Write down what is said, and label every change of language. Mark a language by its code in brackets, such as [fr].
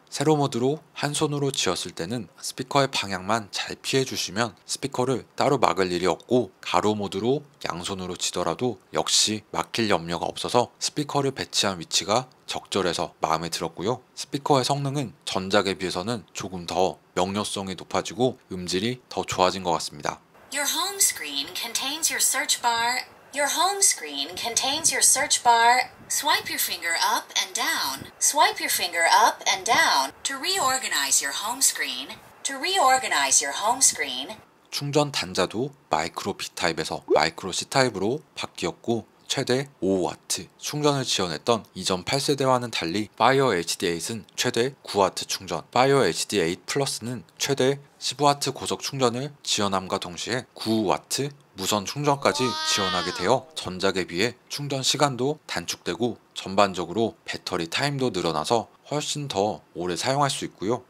[ko] 세로 모드로 한 손으로 쥐었을 때는 스피커의 방향만 잘 피해주시면 스피커를 따로 막을 일이 없고 가로 모드로 양손으로 쥐더라도 역시 막힐 염려가 없어서 스피커를 배치한 위치가 적절해서 마음에 들었고요. 스피커의 성능은 전작에 비해서는 조금 더 명료성이 높아지고 음질이 더 좋아진 것 같습니다. [en] Your home screen contains your search bar. Your home screen contains your search bar. Swipe your finger up and down. Swipe your finger up and down to reorganize your home screen. To reorganize your home screen. [ko] 충전 단자도 마이크로 B타입에서 마이크로 C타입으로 바뀌었고 최대 5W 충전을 지원했던 이전 8세대와는 달리 Fire HD 8은 최대 9W 충전, Fire HD 8 플러스는 최대 15W 고속 충전을 지원함과 동시에 9W 무선 충전까지 지원하게 되어 전작에 비해 충전 시간도 단축되고 전반적으로 배터리 타임도 늘어나서 훨씬 더 오래 사용할 수 있고요.